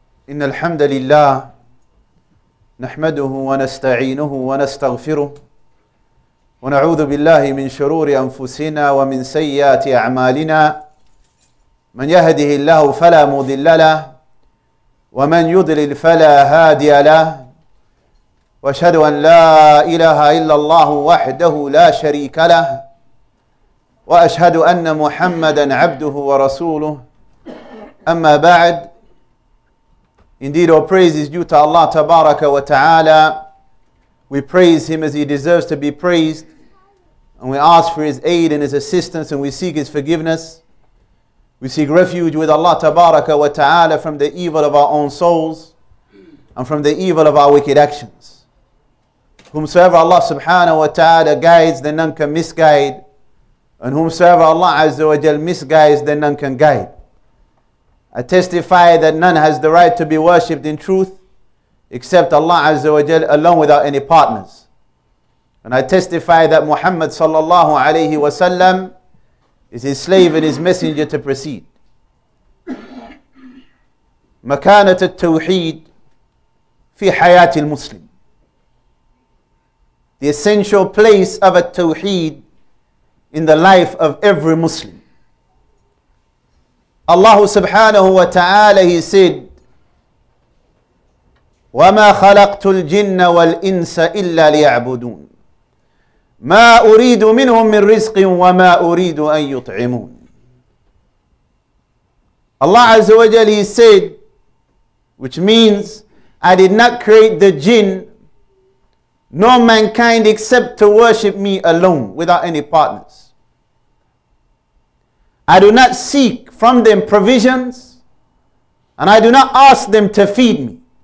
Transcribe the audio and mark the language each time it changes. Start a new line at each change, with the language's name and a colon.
Arabic: إن الحمد لله نحمده ونستعينه ونستغفره ونعوذ بالله من شرور أنفسنا ومن سيئات أعمالنا من يهده الله فلا مضل له ومن يضلل فلا هادي له وأشهد أن لا إله إلا الله وحده لا شريك له وأشهد أن محمدًا عبده ورسوله أما بعد.
English: Indeed, all praise is due to Allah Tabaraka wa Ta'ala. We praise Him as He deserves to be praised. And we ask for His aid and His assistance, and we seek His forgiveness. We seek refuge with Allah Tabaraka wa Ta'ala from the evil of our own souls and from the evil of our wicked actions. Whomsoever Allah Subhanahu wa Ta'ala guides, then none can misguide. And whomsoever Allah Azza wa Jal misguides, then none can guide. I testify that none has the right to be worshipped in truth except Allah Azza wa Jal alone without any partners. And I testify that Muhammad sallallahu alayhi wa sallam is his slave and his messenger to proceed.
Arabic: Makanat al-tawheed fi hayati al-muslim.
English: The essential place of a tawheed in the life of every Muslim. Allah subhanahu wa ta'ala, He said,
Arabic: وَمَا خَلَقْتُ الْجِنَّ وَالْإِنسَ إِلَّا لِيَعْبُدُونَ مَا أُرِيدُ مِنْهُمْ مِنْ رِزْقٍ وَمَا أُرِيدُ أَنْ يُطْعِمُونَ.
English: Allah Azza wa Jal, He said, which means, I did not create the jinn nor mankind except to worship me alone without any partners. I do not seek from them provisions, and I do not ask them to feed me.